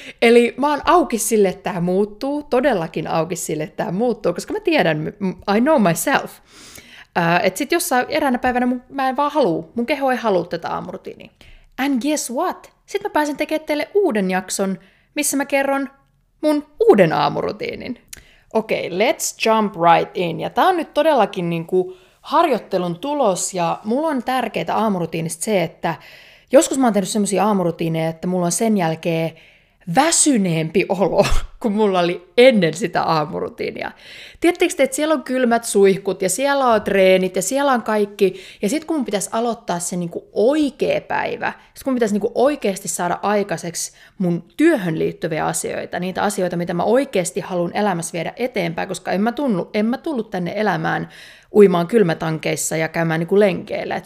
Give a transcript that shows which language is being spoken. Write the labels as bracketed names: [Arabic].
[Finnish] Eli mä oon auki sille, että tää muuttuu, todellakin auki sille, että tää muuttuu, koska mä tiedän, [English] I know myself. [Finnish] Että sit jossain eräänä päivänä mä en vaan haluu, mun keho ei halua tätä aamurutiiniä. [English] And guess what? [Finnish] Sit mä pääsen tekemään teille uuden jakson, missä mä kerron mun uuden aamurutiinin. [English] Okei, okay, let's jump right in. [Finnish] Ja tää on nyt todellakin niinku harjoittelun tulos, ja mulla on tärkeetä aamurutiinista se, että joskus mä oon tehnyt semmosia aamurutiineja, että mulla on sen jälkeen väsyneempi olo, kuin mulla oli ennen sitä aamurutiinia. Tiettekö te, että siellä on kylmät suihkut, ja siellä on treenit, ja siellä on kaikki, ja sit kun mun pitäisi aloittaa se niinku oikea päivä, sit kun mun pitäisi niinku oikeasti saada aikaiseksi mun työhön liittyviä asioita, niitä asioita, mitä mä oikeasti haluan elämässä viedä eteenpäin, koska en mä tullut tänne elämään uimaan kylmätankeissa ja käymään niinku lenkeillä.